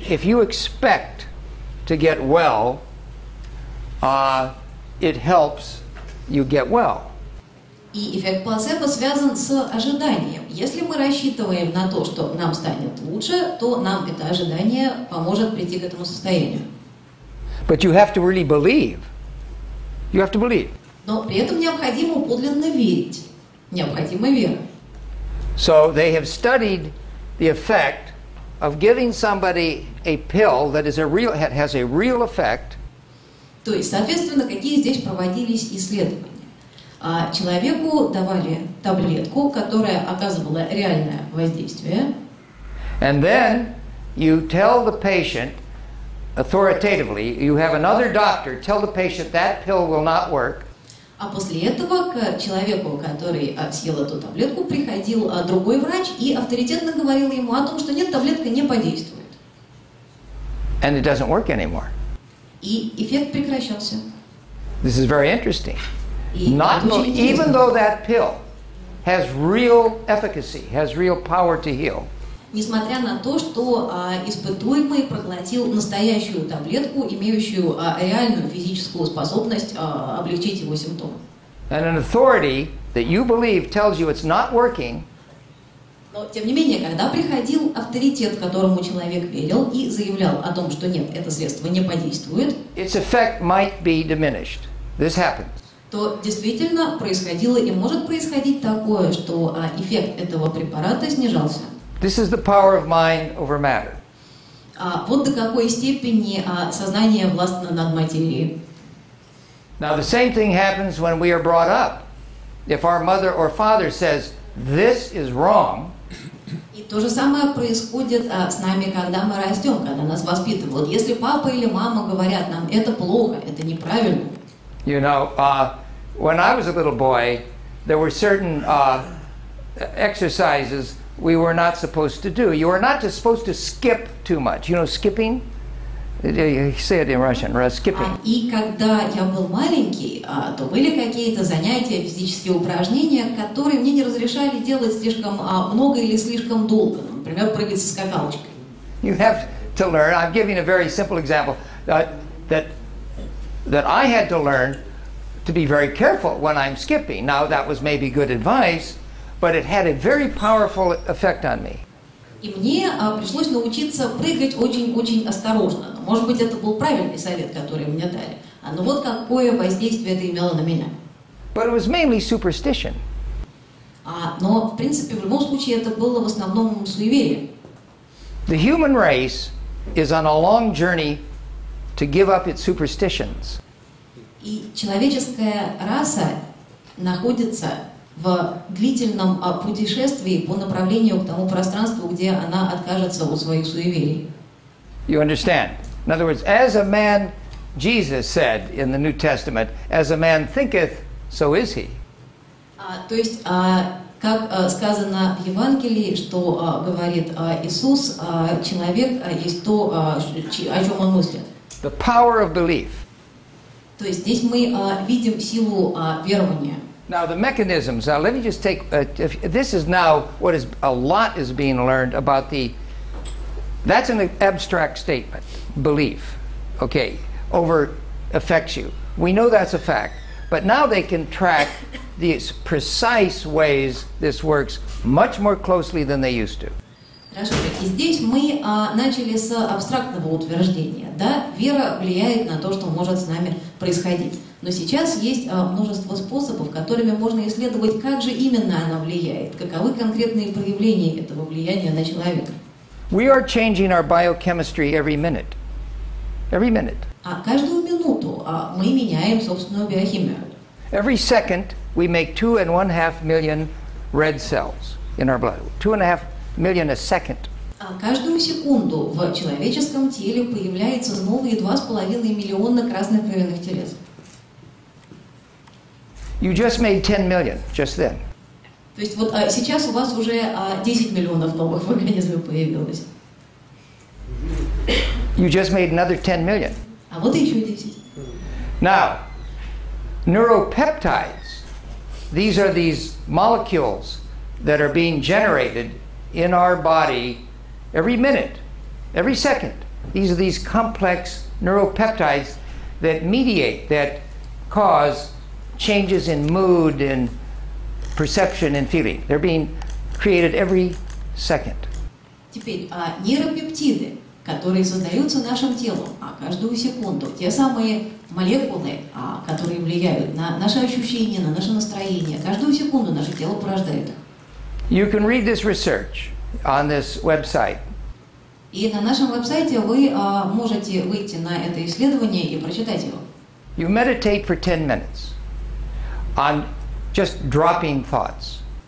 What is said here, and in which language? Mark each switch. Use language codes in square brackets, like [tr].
[en] If you expect to get well, it helps you get well. [ru] И эффект плацебо связан с ожиданием. Если мы рассчитываем на то, что нам станет лучше, то нам это ожидание поможет прийти к этому состоянию. [en] But you have to really believe. You have to believe. [ru] Но при этом необходимо подлинно верить. Необходима вера. [en] So they have studied the effect of giving somebody a pill that is a real, has a real effect. [ru] То есть, соответственно, какие здесь проводились исследования? Человеку давали таблетку, которая оказывала реальное воздействие. [en] And then you tell the patient authoritatively, you have another doctor, tell the patient that pill will not work. [ru] А после этого к человеку, который съел эту таблетку, приходил другой врач и авторитетно говорил ему о том, что нет, таблетка не подействует. [en] And it doesn't work anymore. [ru] И эффект прекращался. [en] This is very interesting. Not even though that pill has real efficacy, has real power to heal. [ru] Несмотря на то, что испытуемый проглотил настоящую таблетку, имеющую реальную физическую способность облегчить его симптомы. [en] And an authority that you believe tells you it's not working. [ru] Но тем не менее, когда приходил авторитет, которому человек верил и заявлял о том, что нет, это средство не подействует. [en] Its effect might be diminished. This happens. [ru] То действительно происходило и может происходить такое, что эффект этого препарата снижался. [en] This is the power of mind over matter. [ru] Вот до какой степени сознание властно над материей. [en] Now the same thing happens when we are brought up. If our mother or father says, this is wrong. [ru] И то же самое происходит с нами, когда мы растем, когда нас воспитывают. Если папа или мама говорят нам, это плохо, это неправильно. [en] You know, when I was a little boy, there were certain exercises we were not supposed to do. You were not just supposed to skip too much. You know, skipping? Say it in Russian, skipping. [ru] И когда я был маленький, то были какие-то занятия, физические упражнения, которые мне не разрешали делать слишком много или слишком долго. Например, прыгать со скакалочкой. [en] You have to learn. I'm giving a very simple example that I had to learn to be very careful when I'm skipping. Now that was maybe good advice, but it had a very powerful effect on me. [ru] И мне пришлось научиться прыгать очень-очень осторожно. Но, может быть, это был правильный совет, который мне дали. А ну вот какое воздействие это имело на меня. [en] But it was mainly superstition. [ru] Но, в принципе, в любом случае, это было в основном суеверие. [en] The human race is on a long journey to give up its superstitions. [ru] И человеческая раса находится в длительном путешествии по направлению к тому пространству, где она откажется от своих суеверий. [en] You understand? In other words, as a man, Jesus said in the New Testament, as a man thinketh, so is he. [ru] То есть, как сказано в Евангелии, что говорит Иисус, человек есть то, о чем он мыслит. [en] The power of belief. [ru] То есть здесь мы видим силу верования. [en] Now the mechanisms. Now let me just take. This is now what is a lot is being learned about the. That's an abstract statement. Belief, okay, over affects you. We know that's a fact. But now they can track these precise ways this works much more closely than they used to. [ru] Хорошо, так и здесь мы начали с абстрактного утверждения. Да, вера влияет на то, что может с нами происходить. Но сейчас есть множество способов, которыми можно исследовать, как же именно она влияет, каковы конкретные проявления этого влияния на человека. [en] We are changing our biochemistry every minute. Every minute. [ru] А каждую минуту мы меняем собственную биохимию. [en] Every second, we make 2.5 million red cells in our blood. 2.5 million a second. [ru] А каждую секунду в человеческом теле появляется новые 2.5 миллиона красных кровяных телец. [en] You just made 10 million just then. [ru] То есть вот сейчас у вас уже 10 миллионов новых в организме появилось. [en] You just made another 10 million. [ru] А вот еще 10. [en] Now, neuropeptides, these are these molecules that are being generated in our body every minute, every second. These are these complex neuropeptides that mediate, that cause changes in mood and perception and feeling. They're being created every second. [ru] Теперь нейропептиды, которые создаются нашим телом каждую секунду, те самые молекулы, которые влияют на наши ощущения, на наше настроение, каждую секунду наше тело порождает их. [en] You can read this research on this website. [ru] И на нашем веб-сайте вы можете выйти на это исследование и прочитать его. [en] You meditate for 10 minutes on just dropping thoughts.